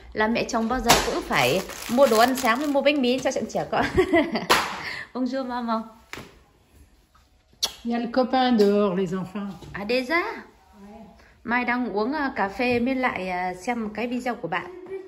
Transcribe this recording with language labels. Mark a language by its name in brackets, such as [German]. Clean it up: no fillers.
[Vietnamese] Là mẹ chồng bao giờ cũng phải mua đồ ăn sáng với mua bánh mì cho trận trẻ con. [French] Bonjour maman. Il y a le copain dehors, les enfants. À déjà? [Vietnamese] Mai đang uống cà phê mới lại xem cái video của bạn.